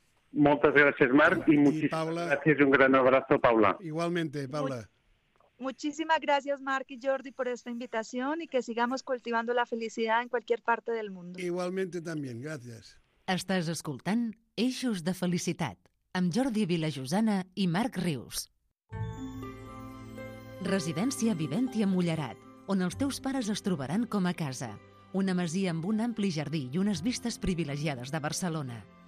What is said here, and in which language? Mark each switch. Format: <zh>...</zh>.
<ca>Moltes gràcies, Marc, i moltíssimes gràcies. Un gran abraço, Paula.</ca> <es>Igualmente, Paula. Muchísimas gracias, Marc y Jordi, por esta invitación y que sigamos cultivando la felicidad en cualquier parte del mundo. Igualmente también, gracias.</es> <ca>Estàs escoltant Eixos de Felicitat amb Jordi Vilajosana i Marc Rius. Residència Viventia Mollerat, on els teus pares es trobaran com a casa. Una masia amb un ampli jardí i unes vistes privilegiades de Barcelona.</ca>